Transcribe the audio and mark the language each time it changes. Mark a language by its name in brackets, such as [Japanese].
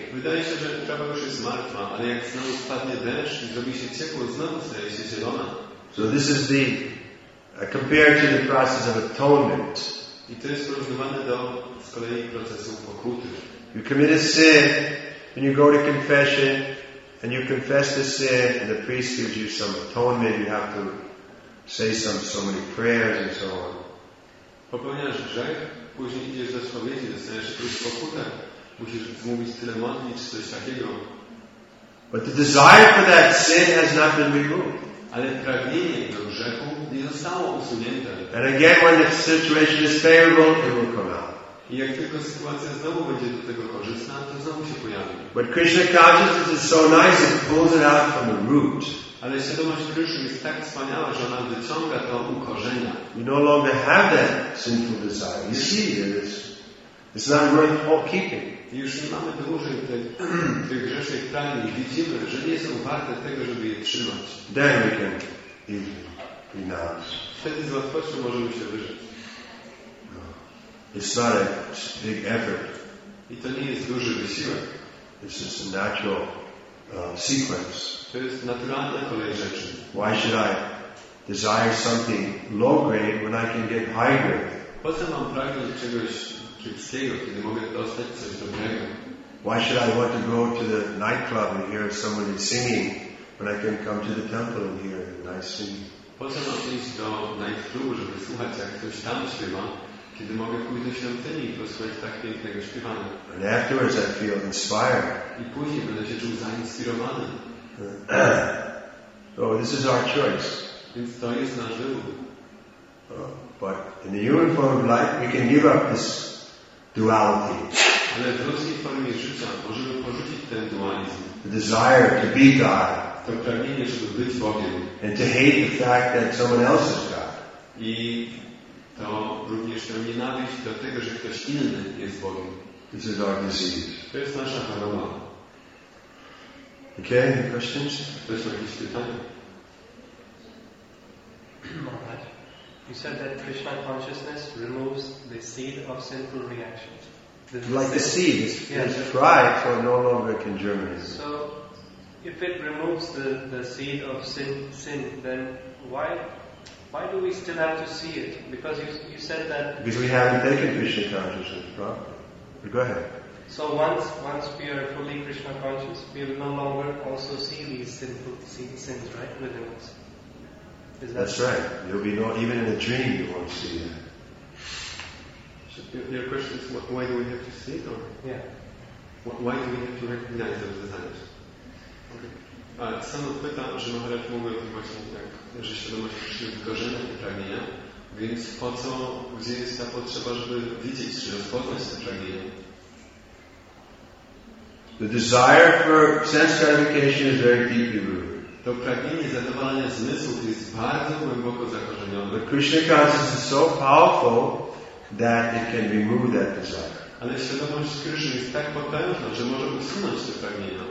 [Polish] Wydaje się, że trawa już jest martwa, ale jak znowu spadnie deszcz i zrobi się ciepło, znowu staje się zielona. [English] So this is the compared to the process of atonement. [Polish] I to jest porównywane do z kolei procesu pokuty. [English] You commit a sin, and you go to confession, and you confess the sin, and the priest gives you some atonement. You have to say so many prayers and so on. [Polish] Popełniasz grzech, później idziesz do spowiedzi, dostajesz jakąś pokutę, musisz mówić tyle modlić, czy coś takiego. [English] But the desire for that sin has not been removed. [Polish] Ale pragnienie do grzechu nie zostało usunięte. [English] And again, when the situation is favorable, it will come out. [Polish] I jak tylko sytuacja znowu będzie do tego korzystna, to znowu się pojawi. [English] But Krishna consciousness is so nice, it pulls it out from the root. [Polish] Ale świadomość Kryszny jest tak wspaniała, że ona wyciąga to u korzenia. [English] You no longer have that sinful desire. You see, it's not worth all keeping. [Polish] I już nie mamy dłużej tych grzesznych pragnień. Widzimy, że nie są warte tego, żeby je trzymać. [English] Then we can easily renounce. [Polish] Wtedy z łatwością możemy się wyrzec. [English] No. It's not a big effort. [Polish] I to nie jest duży wysiłek. [English] It's just a natural sequence. [Polish] To jest naturalna kolej rzeczy. [English] Why should I desire something low grade when I can get high grade? [Polish] Po co mam pragnąć czegoś kiepskiego, kiedy mogę dostać coś dobrego? [English] Why should I want to go to the nightclub and hear someone singing when I can come to the temple and hear a nice singing? [Polish] Po co mam iść do nightclubu, żeby słuchać, jak ktoś tam śpiewa, kiedy mogę pójść do świątyni i posłuchać tak pięknego śpiewania? [English] And afterwards I feel inspired. [Polish] I później będę się czuł zainspirowany. [English] So this is our choice. [Polish] Więc to jest nasz wybór. [English] But in the human form of life, we can give up this duality. [Polish] Ale w ludzkiej formie życia możemy porzucić ten dualizm. [English] The desire to be God. [Polish] To pragnienie, żeby być Bogiem. [English] And to hate the fact that someone else is God. [Polish] I to również tę nienawiść do tego, że ktoś inny jest Bogiem. [English] This is our disease. [Polish] To jest nasza choroba. [English] Okay, any questions? [Polish] Ktoś ma jakieś pytania? [English] You said that Krishna consciousness removes the seed of sinful reactions. Like the seed, it's fried, so it no longer can germinate. So, if it removes the seed of sin, then why do we still have to see it? Because you said that. Because we haven't taken Krishna consciousness properly. Go ahead. So once we are fully Krishna conscious, we will no longer also see these sinful sins right within us. That's right. You'll be not even in a dream you won't see that. So your question is, why do we have to see it? Or? Yeah. Why do we have to recognize those desires? Okay. [Polish] Sam pyta, że Maharaj mówi o tym właśnie tak, że świadomość Krishna wykorzenia te pragnienia, więc po co, gdzie jest ta potrzeba, żeby widzieć, czy rozpoznać te pragnienia? [English] The desire for sense gratification is very deeply rooted. [Polish] To pragnienie zadowalania zmysłów jest bardzo głęboko zakorzenione. [English] But Krishna consciousness is so powerful that it can remove that desire. [Polish] Ale świadomość Krishna jest tak potężna, że może usunąć to pragnienie.